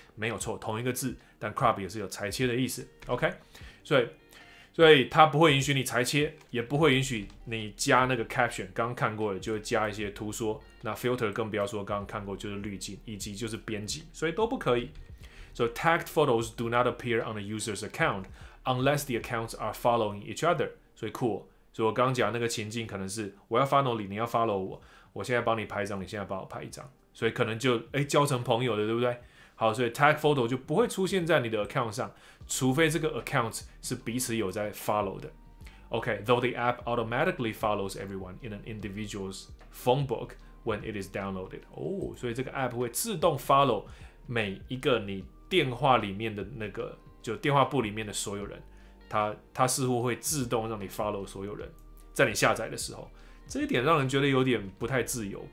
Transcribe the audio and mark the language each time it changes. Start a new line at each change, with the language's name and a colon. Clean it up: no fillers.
Chinese: 没有错，同一个字，但 crop 也是有裁切的意思。OK， 所以它不会允许你裁切，也不会允许你加那个 caption。刚刚看过的就会加一些图说，那 filter 更不要说，刚刚看过就是滤镜，以及就是编辑，所以都不可以。
English: So tagged photos do not appear on a user's account unless the accounts are following each other.
Chinese: 所以 cool. 所以我刚讲那个情境可能是我要 follow 你，你要 follow 我，我现在帮你拍一张，你现在帮我拍一张，所以可能就交成朋友了，对不对？好，所以 tag photo 就不会出现在你的 account 上，除非这个 account 是彼此有在 follow 的。
English: Okay, though the app automatically follows everyone in an individual's phone book when it is downloaded.
Chinese: 哦，所以这个 app 会自动 follow 每一个你电话里面的那个，就电话簿里面的所有人，它似乎会自动让你 follow 所有人，在你下载的时候，这一点让人觉得有点不太自由。